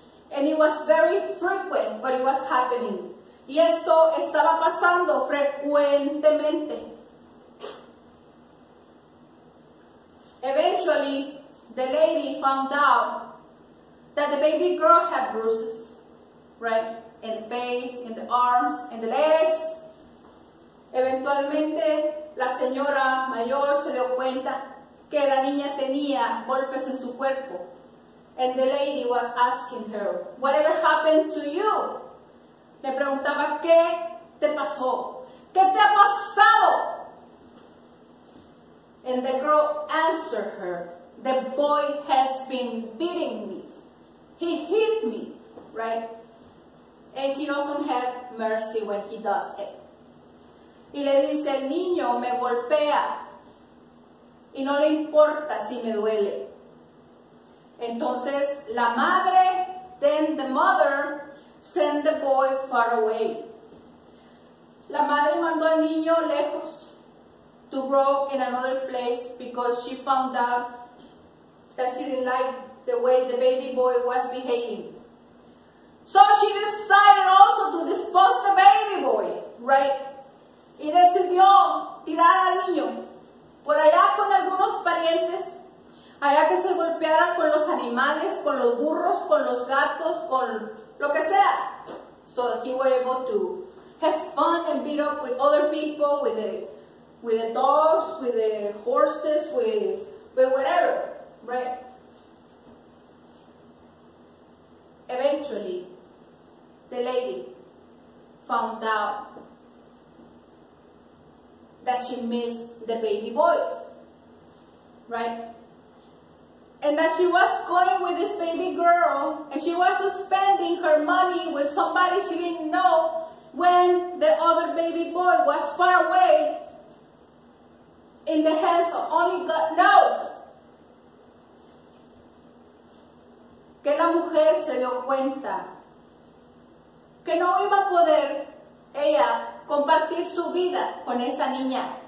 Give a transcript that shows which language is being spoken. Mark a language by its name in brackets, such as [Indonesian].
[English] And it was very frequent, but it was happening. [Spanish] Y esto estaba pasando frecuentemente. [English] Eventually, the lady found out that the baby girl had bruises, right? In the face, in the arms, in the legs. [Spanish] Eventualmente, la señora mayor se dio cuenta que la niña tenía golpes en su cuerpo. [English] And the lady was asking her, whatever happened to you? [Spanish] Le preguntaba, ¿qué te pasó? ¿Qué te ha pasado? [English] And the girl answered her, the boy has been beating me. He hit me, right? And he doesn't have mercy when he does it. [Spanish] Y le dice, el niño me golpea. Y no le importa si me duele. Entonces, la madre, [English] then the mother, sent the boy far away. [Spanish] La madre mandó al niño lejos [English] to grow in another place because she found out that she didn't like the way the baby boy was behaving. So she decided also to dispose the baby boy, right? [Spanish] Y decidió tirar al niño por allá con algunos parientes, allá que se golpeara con los animales, con los burros, con los gatos, con lo que sea. [English] So he was able to have fun and beat up with other people, with the dogs, with the horses, with whatever, right? Eventually, the lady found out that she missed the baby boy, right? And that she was going with this baby girl, and she was spending her money with somebody she didn't know when the other baby boy was far away in the hands of only God knows. [Spanish] Que la mujer se dio cuenta que no iba a poder ella compartir su vida con esa niña.